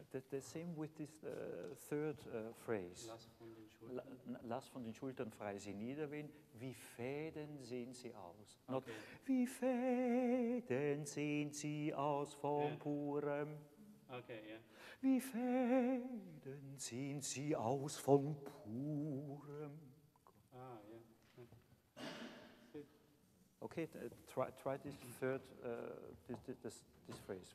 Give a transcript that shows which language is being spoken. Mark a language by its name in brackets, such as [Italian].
[English] The same with this third phrase. [German] Lass von den Schultern frei sie nieder, wie Fäden sehen sie aus. Okay. Not, wie Fäden sehen sie aus vom yeah. Purem. [English] Okay, yeah. [German] Wie Fäden sehen sie aus vom Purem. [English] Ah, yeah. Okay, try this third, this phrase.